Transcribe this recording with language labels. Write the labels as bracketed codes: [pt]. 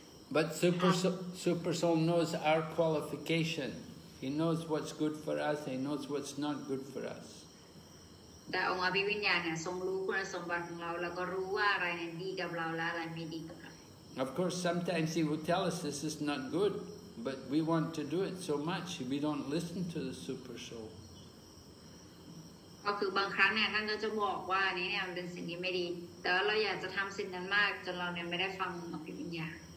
[en] But super soul knows our qualification. He knows what's good for us, he knows what's not good for us. [th] แต่องค์อภิวิญญาณเนี่ยทรงรู้คุณสมบัติของเราแล้วก็รู้ว่าอะไรเนี่ยดีกับเราและอะไรไม่ดีกับเรา [en] Of course sometimes he will tell us this is not good but we want to do it so much we don't listen to the super soul [th] ก็คือบางครั้งเนี่ยท่านก็จะบอกว่าอันนี้เนี่ยเป็นสิ่งที่ไม่ดีแต่เราอยากจะทำสิ่งนั้นมากจนเราเนี่ยไม่ได้ฟังองค์อภิวิญญาณ